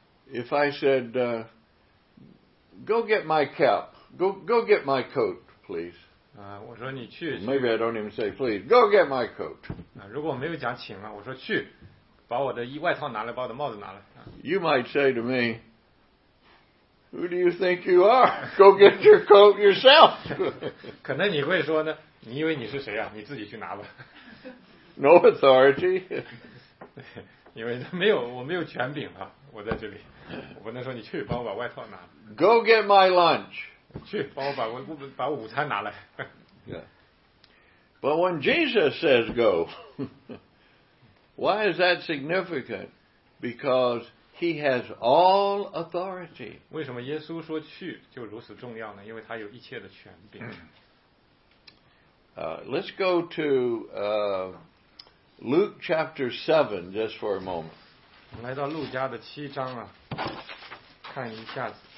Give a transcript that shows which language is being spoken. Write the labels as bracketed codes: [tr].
[en] If I said, go get my cap, go get my coat, please. [zh] 我说你去。 [en] Maybe I don't even say please. Go get my coat. [zh] 如果我没有讲请了，我说去，把我的外套拿来，把我的帽子拿来。 [en] You might say to me, who do you think you are? Go get your coat yourself. [zh] 可能你会说呢，你以为你是谁啊？你自己去拿吧。 [en] No authority. [zh] 因为没有，我没有权柄啊。我在这里，我不能说你去帮我把外套拿。 [en] Go get my lunch. [zh] 去帮我把午餐拿来。 [en] Yeah. But when Jesus says go, why is that significant? Because he has all authority. [zh] 为什么耶稣说去就如此重要呢？因为他有一切的权柄。 [en] Let's go to Luke chapter 7 just for a moment. [zh] 我们来到路加的七章啊，看一下子。